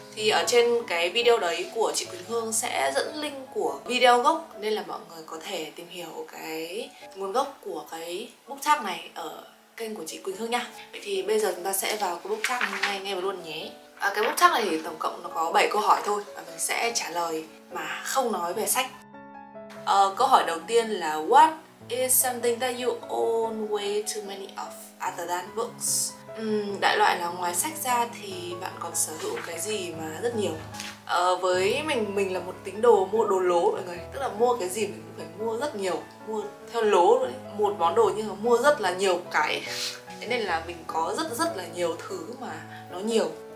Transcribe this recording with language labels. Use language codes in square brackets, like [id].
[vi] Thì ở trên cái video đấy của chị Quỳnh Hương sẽ dẫn link của video gốc, nên là mọi người có thể tìm hiểu cái nguồn gốc của cái book tab này ở kênh của chị Quỳnh Hương nha. Vậy thì bây giờ chúng ta sẽ vào cái book tab hôm nay nghe luôn nhé. Cái book tab này thì tổng cộng nó có 7 câu hỏi thôi và mình sẽ trả lời mà không nói về sách. Câu hỏi đầu tiên là [en] What is something that you own way too many of other than books? [vi] Đại loại là ngoài sách ra thì bạn còn sở hữu cái gì mà rất nhiều. Với mình là một tín đồ mua đồ lố mọi người, tức là mua cái gì mình cũng phải mua rất nhiều, mua theo lố đấy, một món đồ nhưng mà mua rất là nhiều cái. Thế nên là mình có rất rất là nhiều thứ mà nó nhiều.